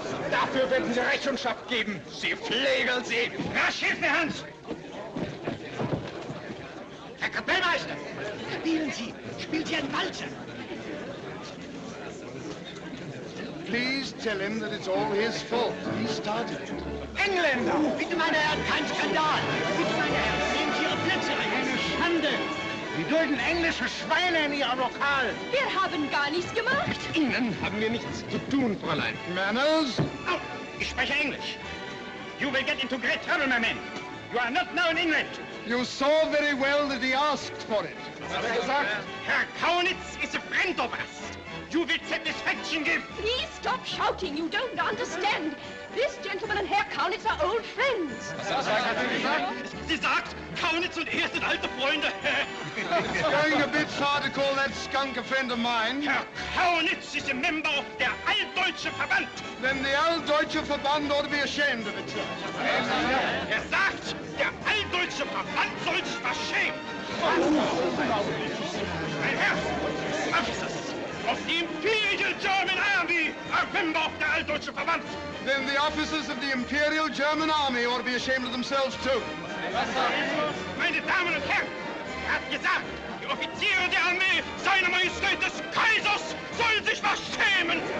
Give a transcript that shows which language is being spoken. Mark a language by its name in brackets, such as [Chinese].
[German] Dafür werden Sie Rechenschaft geben. Sie pflegeln sie. Rasch, hilf mir, Hans! Herr Kapellmeister, spielen Sie. Spielen Sie einen Walzer. [English] Please tell him that it's all his fault. He started it. [German] Engländer! Bitte, meine Herren, kein Skandal! Bitte, meine Herren, sehen Sie Ihre Plätze ein! Eine Schande! Sie dulden englische Schweine in Ihrem Lokal! Wir haben gar nichts gemacht! Mit Ihnen haben wir nichts zu tun, Fräulein. [English] Manners? [German] Oh, ich spreche Englisch. [English] You will get into great trouble, my man. You are not now in England. You saw very well that he asked for it. [German] Was hat er gesagt? [English] Herr Kaunitz is a friend of us. You will satisfaction give. Please stop shouting. You don't understand. This gentleman and Herr Kaunitz are old friends. [German] Was hat er gesagt? Sie sagt, Kaunitz und er sind alte Freunde. [English] It's going a bit far to call that skunk a friend of mine. Herr Kaunitz is a member of der Altdeutsche Verband. Then the Altdeutsche Verband ought to be ashamed of itself. [German] Er sagt, der Altdeutsche Verband soll sich was schämen. Mein Herr, was ist das? [English] Of the Imperial German Army, a member of the Altdeutsche Verband. Then the officers of the Imperial German Army ought to be ashamed of themselves, too. [German] Meine Damen und Herren, er hat gesagt, die Offiziere der Armee, seiner Majestät des Kaisers, sollen sich was schämen.